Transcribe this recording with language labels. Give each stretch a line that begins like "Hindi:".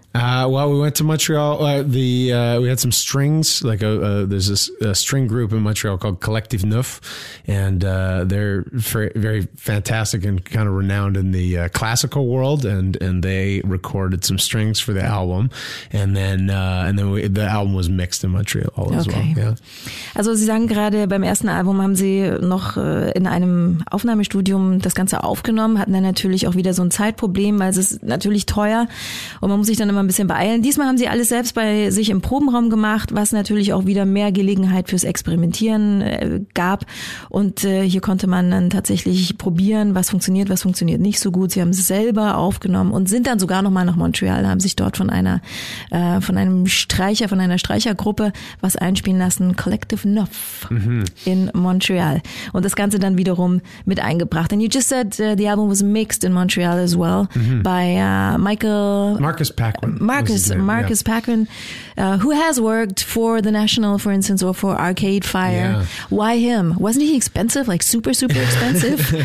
English: We went to Montreal, we had some strings, there's this string group in Montreal called Collective Neuf, and they're very fantastic and kind of renowned in the classical world, and they recorded some strings for the album, and then the album was mixed in Montreal as well. Yeah.
German: Also Sie sagen gerade, beim ersten Album haben Sie noch in einem Aufnahmestudium das Ganze aufgenommen, hatten dann natürlich auch wieder so ein Zeitproblem, weil es ist natürlich teuer und man muss sich dann immer immer ein bisschen beeilen. Diesmal haben sie alles selbst bei sich im Probenraum gemacht, was natürlich auch wieder mehr Gelegenheit fürs Experimentieren gab. Und hier konnte man dann tatsächlich probieren, was funktioniert nicht so gut. Sie haben es selber aufgenommen und sind dann sogar nochmal nach Montreal, haben sich dort von einer Streichergruppe was einspielen lassen, Collective Nuff in Montreal. Und das Ganze dann wiederum mit eingebracht.
English: And you just said the album was mixed in Montreal as well by Marcus Paquin, who has worked for The National, for instance, or for Arcade Fire. Yeah. Why him? Wasn't he expensive? Like super, super expensive?